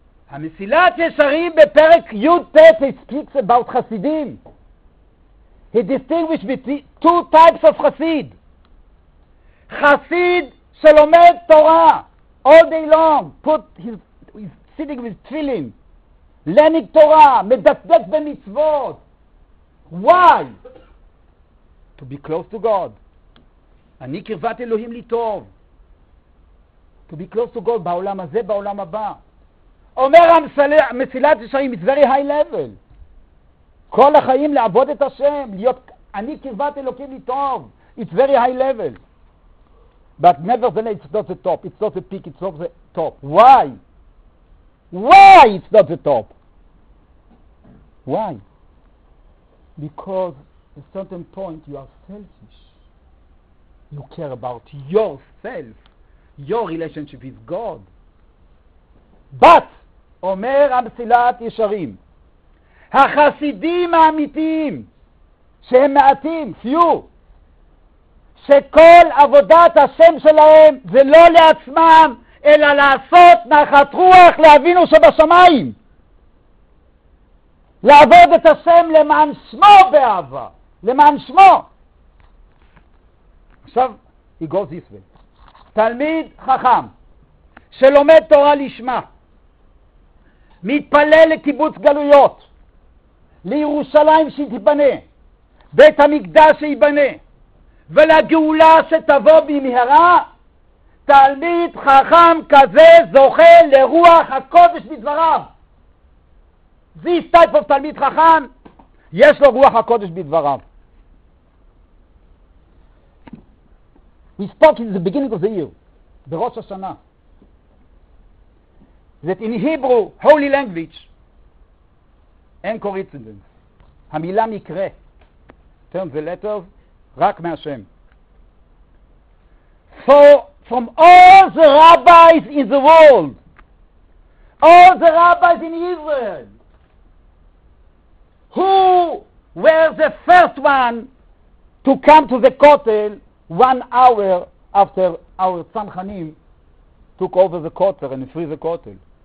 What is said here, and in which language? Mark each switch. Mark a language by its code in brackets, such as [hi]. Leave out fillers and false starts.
[he] המסילת ישרים בפרק י'-ט' [en] he speaks about [he] חסידים. [en] He distinguished between two types of חסיד. [he] חסיד שלומד תורה [en] all day long, put his sitting with tefillin, learning תורה, [he] מדקדק במצוות. [en] Why? To be close to God. [he] אני קרבת אלוהים לי טוב. [en] To be close to God [he] בעולם הזה, בעולם הבא. אומר המסילת ישרים, [en] it's very high level. [he] כל החיים לעבוד את השם, להיות, אני קרבת אלוקים לי טוב. [en] It's very high level. But nevertheless, it's not the top. It's not the peak, it's not the top. Why? Why it's not the top? Why? Because at a certain point you are selfish. You care about yourself, your relationship with God. [he] But, אומר המסילת ישרים, החסידים האמיתיים, שהם מעטים, פיו, שכל עבודת השם שלהם זה לא לעצמם, אלא לעשות נחת רוח להבינו שבשמיים. לעבוד את השם למען שמו באהבה, למען שמו. עכשיו, [en] he goes this way. [he] תלמיד חכם, שלומד תורה לשמה, מתפלל לקיבוץ גלויות, לירושלים שתיבנה, בית המקדש שיבנה, ולגאולה שתבוא במהרה, תלמיד חכם כזה זוכה לרוח הקודש בדבריו. [en] This type of [he] תלמיד חכם, יש לו רוח הקודש בדבריו. [en] We spoke in the beginning of the year, [he] בראש השנה, [en] that in Hebrew, holy language, [he] אין קוריצנדנס. המילה מקרה, [en] turn the letters, [he] רק מהשם. [en] From all the rabbis in the world, all the rabbis in Israel, who were the first one to come to the Kotel 1 hour after our Tzamchanim took over the Kotel and free the Kotel.